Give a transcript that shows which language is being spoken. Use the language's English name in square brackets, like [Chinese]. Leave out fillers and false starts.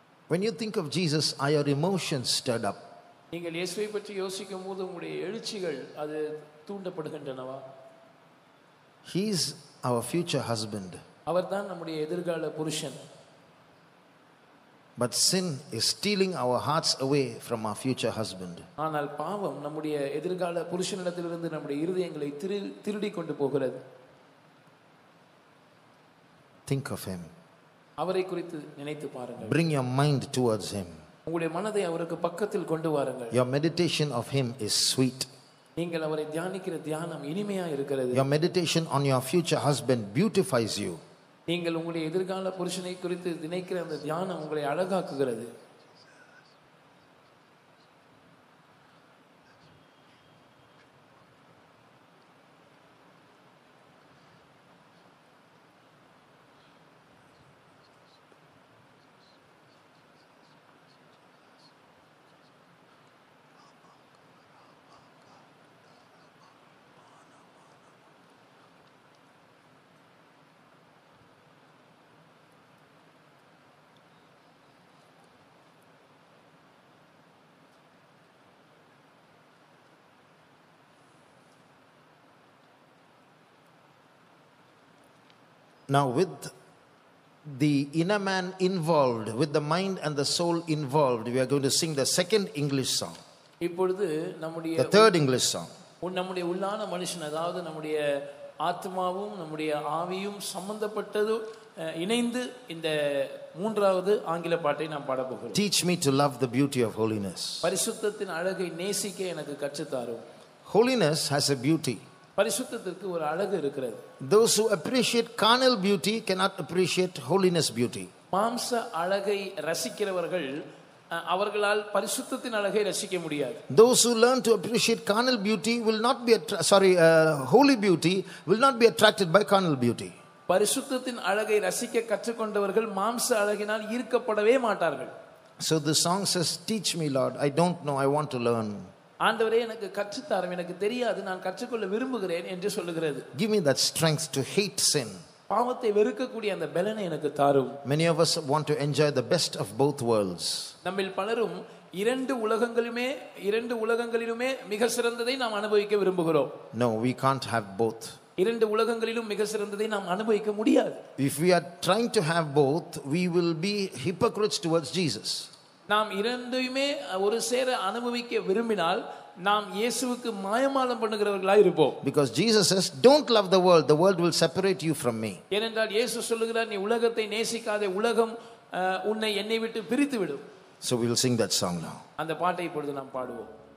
[English] When you think of Jesus, are your emotions stirred up? [Tamil] நீங்கள் இயேசுவை பற்றி யோசிக்கும் போது உங்களுடைய எழுச்சிகள் அது தூண்டப்படுகின்றனவா? [English] He is our future husband. [Tamil] அவர்தான் நம்முடைய எதிர்கால புருஷன். [English] But sin is stealing our hearts away from our future husband. [Tamil] ஆனால் பாவம் நம்முடைய எதிர்கால புருஷனிடத்திலிருந்து நம்முடைய இதயங்களை திருடி கொண்டு போகிறது. [English] Think of him. [Tamil] அவரை குறித்து நினைத்து பாருங்கள். [English] Bring your mind towards him. [Tamil] உங்களுடைய மனதை அவருக்கு பக்கத்தில் கொண்டு வாருங்கள். [English] Your meditation of him is sweet. [Tamil] நீங்கள் அவரை தியானிக்கிற தியானம் இனிமையாக இருக்கிறது. [English] Your meditation on your future husband beautifies you. [Tamil] நீங்கள் உங்களுடைய எதிர்கால புருஷனை குறித்து நினைக்கிற அந்த தியானம் உங்களை அழகாக்குகிறது. [English] Now with the inner man involved, with the mind and the soul involved, we are going to sing the second English song. [Tamil] இப்பொழுது நம்முடைய [English] the third English song. [Tamil] நம்முடைய உள்ளான மனுஷன், அதாவது நம்முடைய ஆத்மாவும் நம்முடைய ஆவியும் சம்பந்தப்பட்டது இணைந்து இந்த மூன்றாவது ஆங்கில பாட்டை நாம் பாட போகிறோம். [English] Teach me to love the beauty of holiness. [Tamil] பரிசுத்தத்தின் அழகை நேசிக்க எனக்கு கற்றுத்தாரும். [English] Holiness has a beauty. [Tamil] பரிசுத்தத்திற்கு ஒரு அழகு இருக்கிறது. [English] Those who appreciate carnal beauty cannot appreciate holiness beauty. [Tamil] மாம்ச அழகை ரசிக்கிறவர்கள் அவர்களால் பரிசுத்தத்தின் அழகை ரசிக்க முடியாது. [English] Those who learn to appreciate carnal beauty will not be holy beauty will not be attracted by carnal beauty. [Tamil] பரிசுத்தத்தின் அழகை ரசிக்க கற்றுக்கொண்டவர்கள் மாம்ச அழகினால் ஈர்க்கப்படவே மாட்டார்கள். [English] So the song says, teach me Lord, I don't know, I want to learn. [Tamil] ஆண்டவரே எனக்கு கற்றுத்தாரும், எனக்கு தெரியாது, நான் கற்றுக்கொள்ள விரும்புகிறேன் என்று சொல்லுகிறது. [English] Give me that strength to hate sin. [Tamil] பாவத்தை வெறுக்கக்கூடிய அந்த பலனை எனக்கு தாரும். [English] Many of us want to enjoy the best of both worlds. [Tamil] நம்மில் பலரும் இரண்டு உலகங்களிலுமே மிக சிறந்ததை நாம் அனுபவிக்க விரும்புகிறோம். [English] No, we can't have both. [Tamil] இரண்டு உலகங்களிலும் மிக சிறந்ததை நாம் அனுபவிக்க முடியாது. [English] If we are trying to have both, we will be hypocrites towards Jesus. [Tamil] நாம் இரண்டுமே ஒரு சேர அனுபவிக்க விரும்பினால் நாம் இயேசுவுக்கு மாயமாலம் பண்ணுகிறவர்களாக இருப்போம். [English] Because Jesus says, don't love the world will separate you from me. [Tamil] ஏனென்றால் இயேசு சொல்கிறார், நீ உலகத்தை நேசிக்காதே, உலகம் உன்னை என்னை விட்டு பிரித்து விடும். [English] So we will sing that song now. [Tamil] அந்த பாட்டை இப்பொழுது நாம் பாடுவோம்.